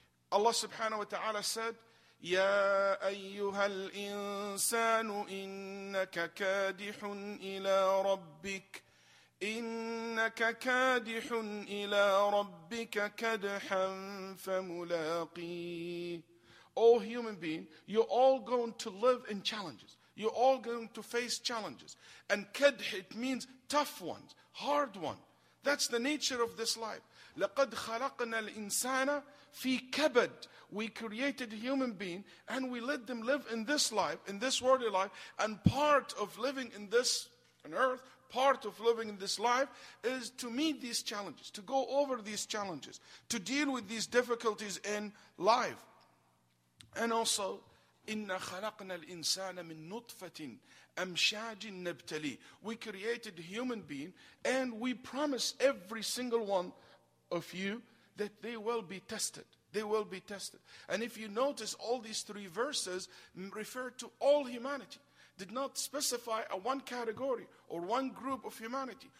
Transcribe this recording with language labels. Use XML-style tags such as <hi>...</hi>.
<en>Allah subhanahu wa ta'ala said,</en> <ar>يا أيها الإنسان إنك كادح إلى ربك إنك كادح إلى ربك كدحا فملاقي.</ar> <en>All human being, you're all going to live in challenges. You're all going to face challenges. And kadh, it means tough ones, hard one. That's the nature of this life.</en> <ar>لقد خلقنا الإنسان في كبد.</ar> <en>We created a human being and we let them live in this life, in this worldly life. And part of living in this on earth, part of living in this life is to meet these challenges, to go over these challenges, to deal with these difficulties in life. And also,</en> <ar>إِنَّ خَلَقْنَا الْإِنسَانَ مِن نُطْفَةٍ أَمْشَاجٍ نَبْتَلِي.</ar> <en>We created a human being and we promise every single one of you that they will be tested. They will be tested. And if you notice, all these three verses refer to all humanity. Did not specify a one category or one group of humanity.</en>